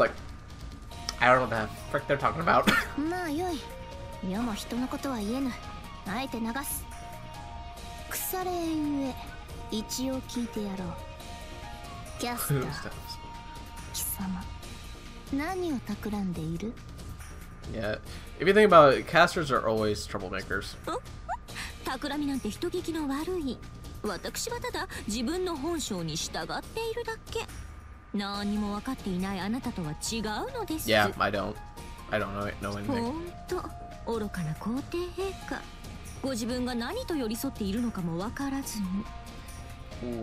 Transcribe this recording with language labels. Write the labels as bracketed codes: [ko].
[en] Like, I don't know what the frick they're talking about. [ja] まあよい。世も人のことは言えぬ。あえて流す。腐れゆえ、一応聞いてやろう。キャスター。貴様、何を企んでいる？ [en] Yeah, if you think about it, casters are always troublemakers. [ja] 企みなんて人聞きの悪い。私はただ自分の本性に従っているだけ。何も分かっていないあなたとは違うのです。 [en] Yeah, I don't know anything. [ja] 本当、愚かな皇帝陛下。ご自分が何と寄り添っているのかも分からずに。